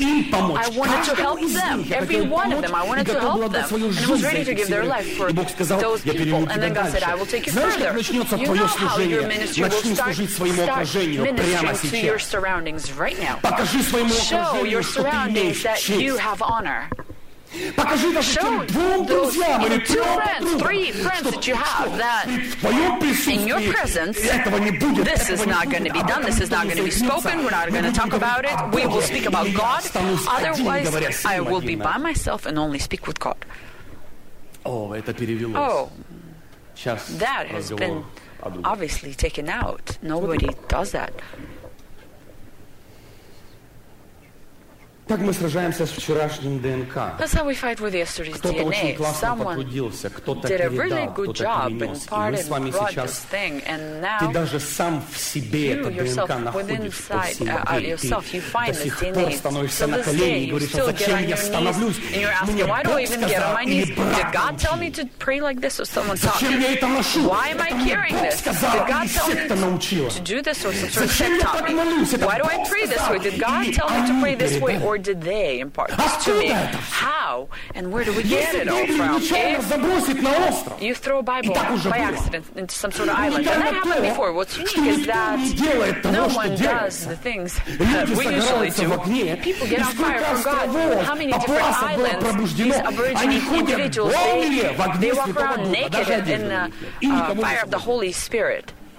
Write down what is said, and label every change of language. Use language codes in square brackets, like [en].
[en] I wanted to help them. Every one of them, I wanted to help them. And was ready to give their life for those people. And then God said, I will take you further. You know how your ministry will start ministering to your surroundings right now. Show your surroundings that you have honor. [ru] Покажи даже двум друзьям или трем друзьям, что в твоем присутствии этого не будет. [en] This is not going to be done. This is not going to be spoken. We're not going to talk about it. We will speak about God. Otherwise, I will be by myself and only speak with God. [ru] О, это перевелось. Сейчас [en] that has been obviously taken out. Nobody does that. [ru] Так мы сражаемся с вчерашним ДНК. [en] That's how we fight with yesterday's DNA. [ru] Кто-то очень классно потрудился, кто-то передал, кто-то принес. И мы с вами сейчас, ты даже сам в себе это ДНК находишь. Ты до сих пор становишься на колени и говоришь, зачем я становлюсь? Мне Бог сказал или брат научил? Зачем я это ношу? Это мне Бог сказал или секта научила? Зачем я так молюсь? Это Бог сказал или они передали? [en] Or did they impart this to me? How and where do we get it all from? If you throw a Bible by accident into some sort of island, and that happened before, what's unique is that no one does the things that we usually do. People get on fire from God. How many different islands these aboriginal individuals, they walk around naked in the fire of the Holy Spirit.